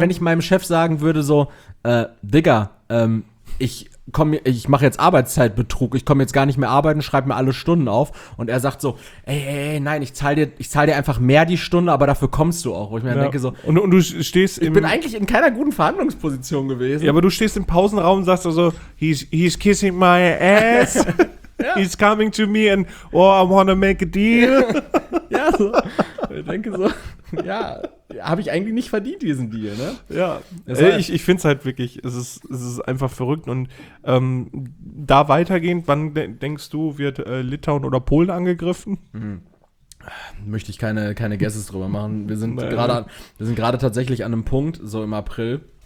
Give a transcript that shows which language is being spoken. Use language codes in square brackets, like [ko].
[de] Wenn ich meinem Chef sagen würde so, Digga, ich mache jetzt Arbeitszeitbetrug, ich komme jetzt gar nicht mehr arbeiten, schreibe mir alle Stunden auf. Und er sagt so, ey, nein, ich zahl dir einfach mehr die Stunde, aber dafür kommst du auch. Wo ich mir denke so. Und du stehst ich bin eigentlich in keiner guten Verhandlungsposition gewesen. Ja, aber du stehst im Pausenraum und sagst so, also, [en] he's kissing my ass. [de] Ja. [en] He's coming to me and, oh, I wanna make a deal. [de] Ja, so. Ich denke so, ja, habe ich eigentlich nicht verdient, diesen Deal, ne? Ja, ich finde es halt wirklich, es ist einfach verrückt. Und da weitergehend, wann denkst du, wird Litauen oder Polen angegriffen? Möchte ich keine Guesses drüber machen. Wir sind gerade tatsächlich an einem Punkt, so im April,